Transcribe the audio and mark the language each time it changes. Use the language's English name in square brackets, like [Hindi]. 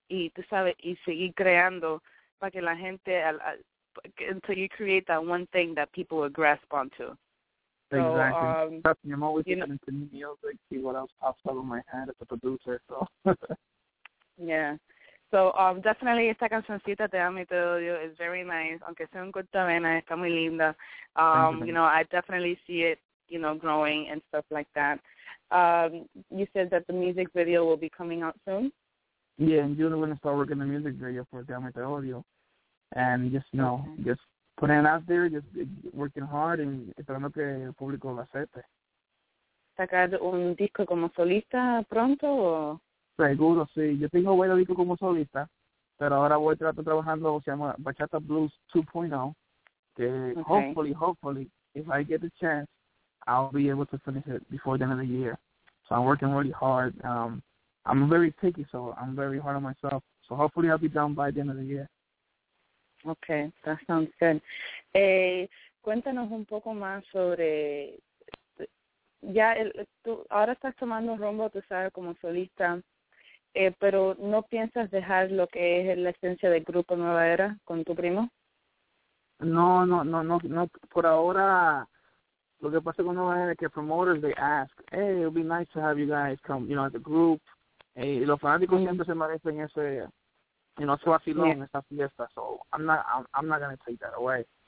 [Spanish] Y tú sabes, y seguir creando para que la gente... [English] until you create that one thing that people will grasp onto. Exactly. So, trust me, I'm always listening to music, see what else pops up in my head as a producer. So. Yeah. So definitely, [Spanish] esta cancioncita, [English] Te Amo y Te Odio, is very nice. [Spanish] Aunque sea un cortavena, está muy linda. [English] You know, I definitely see it, you know, growing and stuff like that. You said that the music video will be coming out soon? Yeah, in June, we're going to start working the music video for Te Amo y Te Odio. And just, you know, just putting it out there, just working hard, and [Spanish] esperando que el público lo acepte. ¿Sacar un disco como solista pronto o...? Seguro, sí. Yo tengo buen disco como solista, pero ahora voy a estar trabajando, se llama Bachata Blues 2.0, que [English] okay. hopefully, if I get the chance, I'll be able to finish it before the end of the year. So I'm working really hard. I'm very picky, so I'm very hard on myself. So hopefully I'll be done by the end of the year. Okay, that sounds good. [Spanish] Cuéntanos un poco más sobre, ya tú ahora estás tomando un rumbo, tú sabes, como solista, pero ¿no piensas dejar lo que es la esencia del grupo Nueva Era con tu primo? No. Por ahora, lo que pasa con Nueva Era es que [English] promoters, they ask, hey, it would be nice to have you guys come, you know, at the group. [Spanish] Y los fanáticos siempre se merecen ese... [English] You know, so I feel in [Spanish] esta fiesta, [English] so I'm not gonna take that away.